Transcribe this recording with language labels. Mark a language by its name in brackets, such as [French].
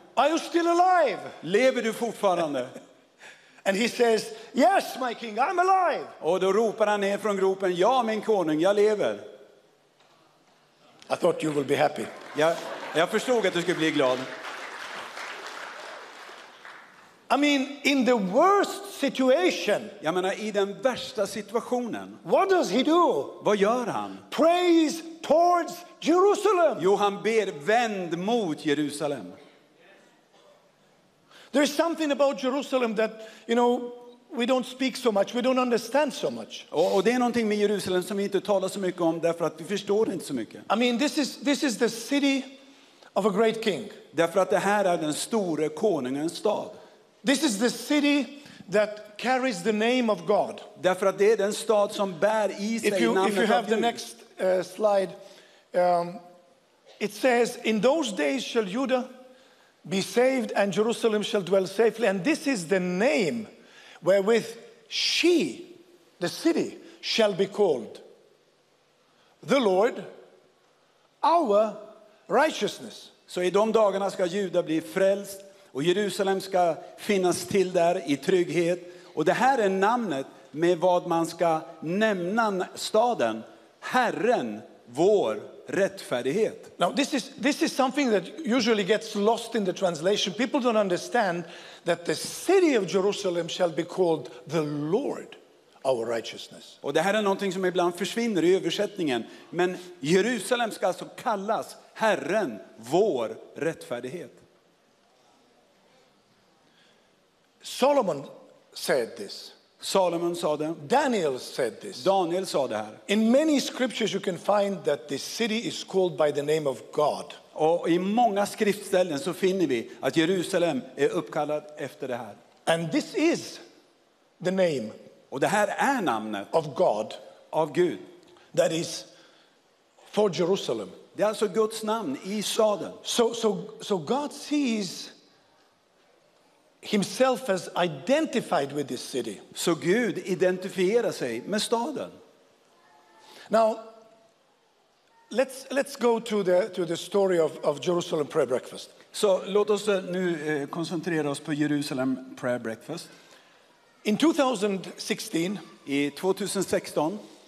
[English] Are you still alive? [Swedish] Lever du fortfarande? [English] And he says, yes, my king, I'm alive. [Swedish] Och då ropar han ner från gropen, ja, min konung, jag lever. [English] I thought you would be happy. [Swedish] Jag förstod att du skulle bli glad. [English] I mean, in the worst situation. [Swedish] Jag menar, i den värsta situationen. [English] What does he do? [Swedish] Vad gör han? [English] Prays towards Jerusalem. [Swedish] Jo, han ber vänd mot Jerusalem. [English] There is something about Jerusalem that, you know, we don't speak so much. We don't understand so much. [Swedish] Och det är någonting med Jerusalem som vi inte talar så mycket om, därför att vi förstår inte så mycket. [English] I mean, this is the city of a great king. [Swedish] Därför att det här är den store konungens stad. [English] This is the city that carries the name of God. [Swedish] Därför att det är den stad som bär i sig namnet av Gud. [English] If you have the next slide, it says, in those days shall Judah be saved and Jerusalem shall dwell safely. And this is the name wherewith she, the city, shall be called the Lord, our righteousness. [Swedish] Så i de dagarna ska Juda bli frälst. Och Jerusalem ska finnas till där i trygghet. Och det här är namnet med vad man ska nämna staden. Herren, vår rättfärdighet. [English] Now this is something that usually gets lost in the translation. People don't understand that the city of Jerusalem shall be called the Lord, our righteousness. [Swedish] Och det här är någonting som ibland försvinner i översättningen. Men Jerusalem ska alltså kallas Herren, vår rättfärdighet. [English] Solomon said this. [Swedish] Solomon sa det. [English] Daniel said this. [Swedish] Daniel sa det här. [English] In many scriptures you can find that this city is called by the name of God. [Swedish] Och i många skriftställen så finner vi att Jerusalem är uppkallad efter det här. [English] And this is the name. [Swedish] Och det här är namnet. [English] Of God. [Swedish] Av Gud. [English] That is for Jerusalem. [Swedish] Det är alltså Guds namn i staden. [English] So God sees himself as identified with this city. [Swedish] Så Gud identifierar sig med staden. [English] Now, let's go to the story of Jerusalem prayer breakfast. [Swedish] Så låt oss nu koncentrera oss på Jerusalem prayer breakfast. [English] In 2016, [Swedish] i 2016,